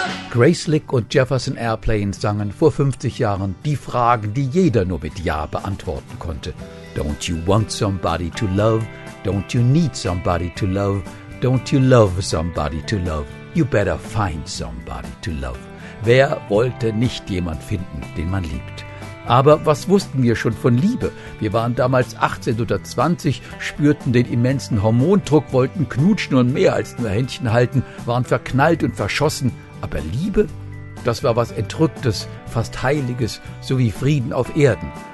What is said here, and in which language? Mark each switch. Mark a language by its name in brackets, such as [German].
[German] Grace Lick und Jefferson Airplane sangen vor 50 Jahren die Fragen, die jeder nur mit Ja beantworten konnte. [English] Don't you want somebody to love? Don't you need somebody to love? Don't you love somebody to love? You better find somebody to love. [German] Wer wollte nicht jemand finden, den man liebt? Aber was wussten wir schon von Liebe? Wir waren damals 18 oder 20, spürten den immensen Hormondruck, wollten knutschen und mehr als nur Händchen halten, waren verknallt und verschossen. Aber Liebe? Das war was Entrücktes, fast Heiliges, so wie Frieden auf Erden.